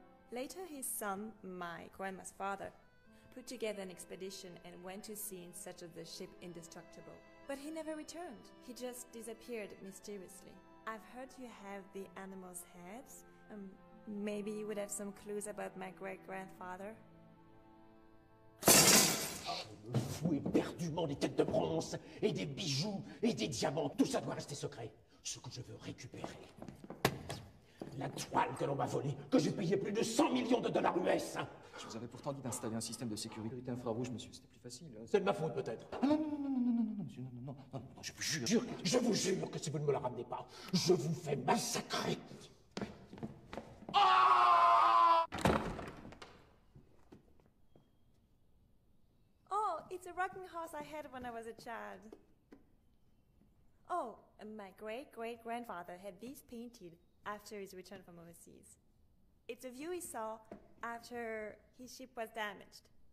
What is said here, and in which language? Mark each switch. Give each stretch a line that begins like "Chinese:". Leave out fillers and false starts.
English: Later, his son, my grandma's father, put together an expedition and went to sea in search of the ship Indestructible. But he never returned. He just disappeared mysteriously. I've heard you have the animal's heads. Maybe you would have some clues about my great-grandfather.
French: Fouille perdument des têtes de bronze et des bijoux et des diamants. Tout ça doit rester secret. Ce que je veux récupérer. La toile que l'on m'a volée, que j'ai payé plus de 100 millions de dollars US. Je vous avais pourtant dit d'installer un système de sécurité infrarouge, monsieur. C'était plus facile. C'est de ma faute, peut-être. Non, monsieur, je vous jure. Je vous jure que si vous ne me la ramenez pas, je vous fais massacrer. Ah!
English: rocking horse I had when I was a child. Oh, and my great-great-grandfather had these painted after his return from overseas. It's a view he saw after his ship was damaged.